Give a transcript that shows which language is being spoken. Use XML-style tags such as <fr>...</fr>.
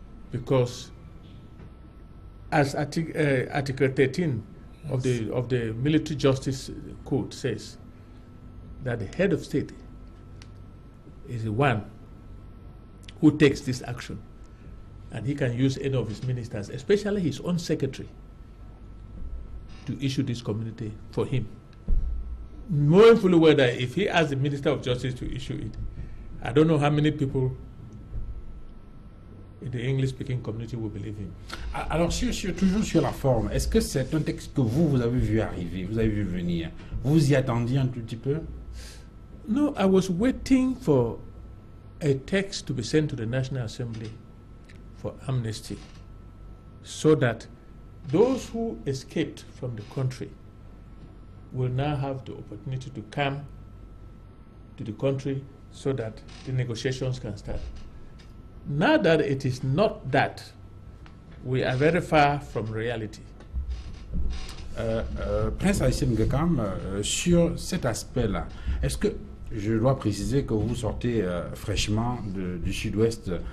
<en>Because as Article 13 of the Military Justice Code says that the head of state is the one who takes this action, and he can use any of his ministers, especially his own secretary, to issue this communique for him. Knowing fully well that if he asks the Minister of Justice to issue it, I don't know how many people in the English-speaking community will believe him.</en> <fr>Alors, toujours sur la forme, est-ce que c'est un texte que vous avez vu arriver, vous avez vu venir? Vous y attendiez un tout petit peu?</fr> <en>No, I was waiting for a text to be sent to the National Assembly for amnesty, so that those who escaped from the country will now have the opportunity to come to the country so that the negotiations can start. Now that it is not that, we are very far from reality.</en> <fr>Prince Aïssine Gekam, sur cet aspect-là, est-ce que je dois préciser que vous sortez fraîchement du Sud-Ouest?</fr>